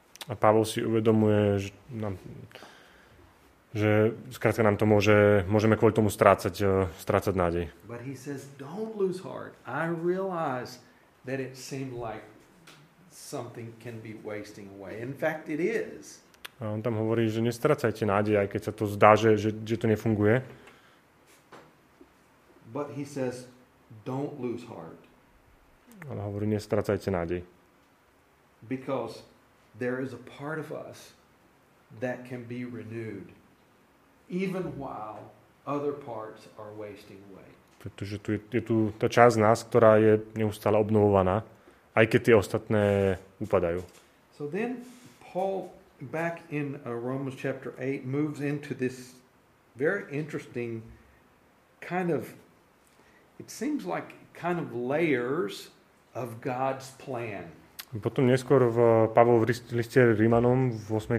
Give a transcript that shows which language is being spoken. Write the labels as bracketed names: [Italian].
[Slovak] A Pavol si uvedomuje, že skrátka nám to môžeme kvôli tomu strácať nádej. [English] But he says, don't lose heart. I realize that it seemed like something can be wasting away. In fact, it is. [Slovak] A on tam hovorí, že nestrácajte nádej, aj keď sa to zdá, že to nefunguje. [English] But he says, don't lose heart. [Slovak] Ale hovorí, nestrácajte nádej. [English] Because there is a part of us that can be renewed. Even while other parts are wasting away. [Slovak] Pretože tu je tu tá časť nás, ktorá je neustále obnovovaná, aj keď tie ostatné upadajú. [English] So then Paul back in Romans chapter 8 moves into this very interesting kind of, it seems like kind of layers of God's plan. [Slovak] Potom neskôr v Pavol v liste Rímanom v 8.